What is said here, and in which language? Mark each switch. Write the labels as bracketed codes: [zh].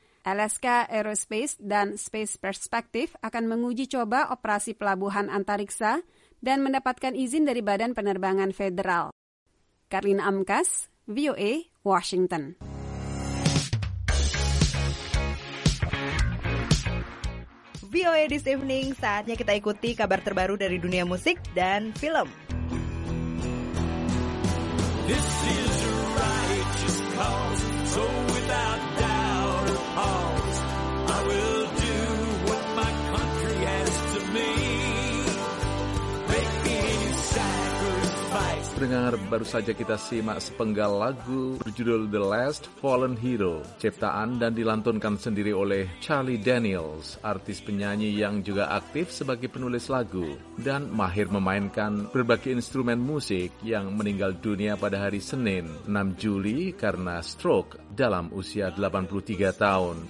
[id] Alaska Aerospace dan Space Perspective akan menguji coba operasi pelabuhan antariksa dan mendapatkan izin dari Badan Penerbangan Federal. Karlin Amkas, VOA, Washington. VOA This Evening, saatnya kita ikuti kabar terbaru dari dunia musik dan film. [en] This is a righteous cause, so without doubt or pause, I will do what my country asks of me. Make any sacrifice. [id] pendengar, baru saja kita simak sepenggal lagu berjudul The Last Fallen Hero, ciptaan dan dilantunkan sendiri oleh Charlie Daniels, artis penyanyi yang juga aktif sebagai penulis lagu dan mahir memainkan berbagai instrumen musik, yang meninggal dunia pada hari Senin, 6 Juli karena stroke dalam usia 83 tahun.